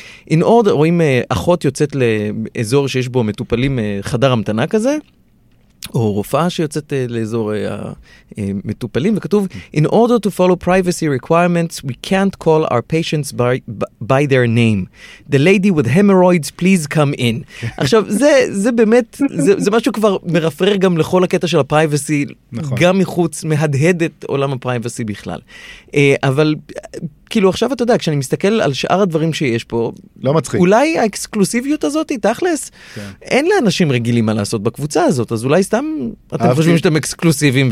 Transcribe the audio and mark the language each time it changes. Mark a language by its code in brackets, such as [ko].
[en] In order, [he] רואים אחות יוצאת לאזור שיש בו מטופלים חדר המתנה כזה, או רופאה שיוצאת לאזור המטופלים, וכתוב, [en] In order to follow privacy requirements, we can't call our patients by their name. The lady with hemorrhoids, please come in. [he] עכשיו, זה באמת, זה משהו כבר מרפרר גם לכל הקטע של הפרייבסי, גם מחוץ, מהדהד את עולם הפרייבסי בכלל. אבל, כאילו, עכשיו אתה יודע, כשאני מסתכל על שאר הדברים שיש פה, לא מצחיק. אולי האקסקלוסיביות הזאת היא תכלס? כן. אין לאנשים רגילים מה לעשות בקבוצה הזאת, אז אולי סתם אתם אהבתי, חושבים שאתם אקסקלוסיביים.